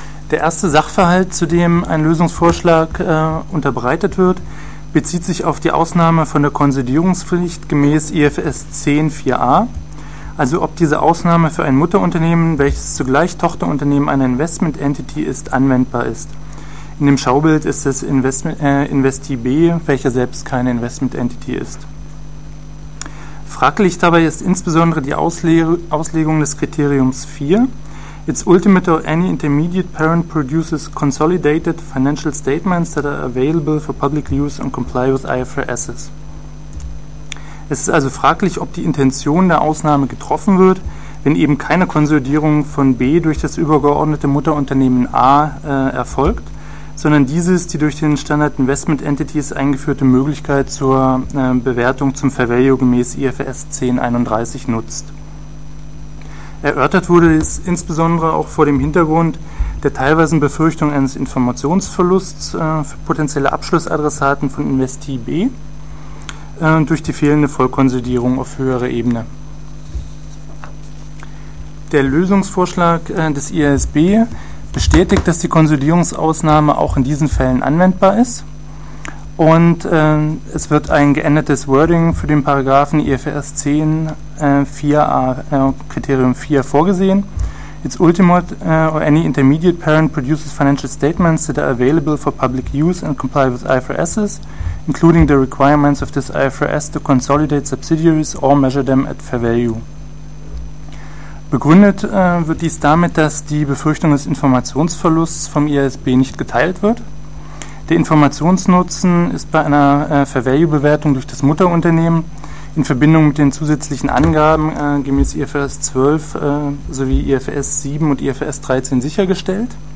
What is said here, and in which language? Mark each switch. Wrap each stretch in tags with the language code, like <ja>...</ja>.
<de>Der erste Sachverhalt, zu dem ein Lösungsvorschlag unterbreitet wird, bezieht sich auf die Ausnahme von der Konsolidierungspflicht gemäß IFRS 10.4a, also ob diese Ausnahme für ein Mutterunternehmen, welches zugleich Tochterunternehmen einer Investment Entity ist, anwendbar ist. In dem Schaubild ist es InvestiB, welcher selbst keine Investment Entity ist. Fraglich dabei ist insbesondere die Auslegung des Kriteriums 4.</de> <en>Its ultimate or any intermediate parent produces consolidated financial statements that are available for public use and comply with IFRSs.</en> <de>Es ist also fraglich, ob die Intention der Ausnahme getroffen wird, wenn eben keine Konsolidierung von B durch das übergeordnete Mutterunternehmen A erfolgt, sondern dieses die durch den Standard Investment Entities eingeführte Möglichkeit zur Bewertung zum Fair Value gemäß IFRS 10.31 nutzt. Erörtert wurde es insbesondere auch vor dem Hintergrund der teilweisen Befürchtung eines Informationsverlusts für potenzielle Abschlussadressaten von InvestiB durch die fehlende Vollkonsolidierung auf höhere Ebene. Der Lösungsvorschlag des IASB bestätigt, dass die Konsolidierungsausnahme auch in diesen Fällen anwendbar ist und es wird ein geändertes Wording für den Paragraphen IFRS 10 4a Kriterium 4 vorgesehen.</de> <en>Its ultimate or any intermediate parent produces financial statements that are available for public use and comply with IFRSs, including the requirements of this IFRS to consolidate subsidiaries or measure them at fair value.</en> <de>Begründet wird dies damit, dass die Befürchtung des Informationsverlusts vom IASB nicht geteilt wird. Der Informationsnutzen ist bei einer Fair Value Bewertung durch das Mutterunternehmen in Verbindung mit den zusätzlichen Angaben gemäß IFRS 12 sowie IFRS 7 und IFRS 13 sichergestellt.</de>